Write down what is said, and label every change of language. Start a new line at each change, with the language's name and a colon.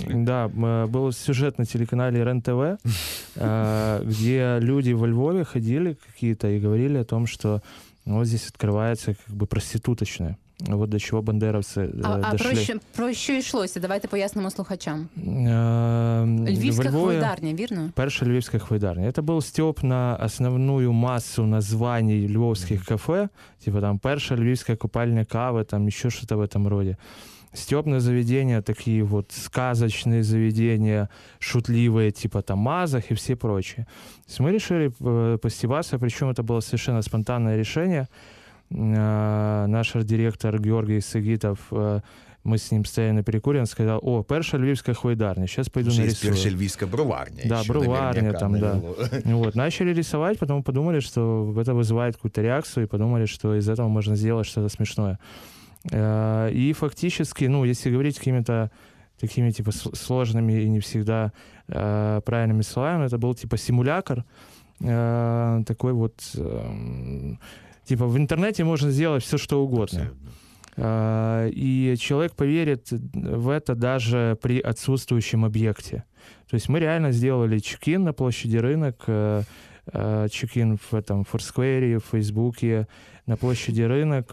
Russian: Да, был сюжет на телеканале РЕН-ТВ, где люди во Львове ходили какие-то и говорили о том, что вот здесь открывается как бы проституточная. Вот до чего бандеровцы дошли.
Ukrainian: Про що йшлося? Давайте поясним слухачам. Львівська хвойдарня, вірно? Перша львівська хвойдарня. Це був стьоп на основну масу названій львовських кафе. Типу там перша львівська купальня кави, там ще щось в цьому роді. Стьопне заведення, такі от сказочні заведення, шутливі, типу там Мазах і всі прочі. Ми вирішили постіватися, причому це було совершенно спонтанне рішення. Наш директор Георгій Сагітов, ми з ним стояли на перекурі, він сказав: о, перша львівська хвойдарня, зараз пойду нарисую. Перша львівська броварня. Да, броварня там, да. Вот, начали рисувати, потім подумали, що це викликає якусь реакцію, і подумали, що з цього можна зробити щось смішне. І фактично, ну, якщо говорити якими-то такими, типу, сложними і не завжди правильними словами, це був, типу, симулякр. Такий от...
Russian: Типа в интернете можно сделать все, что угодно. И человек поверит в это даже при отсутствующем объекте. То есть мы реально сделали чекин на площади рынок, чекин в этом Форсквере, в Фейсбуке, на площади рынок.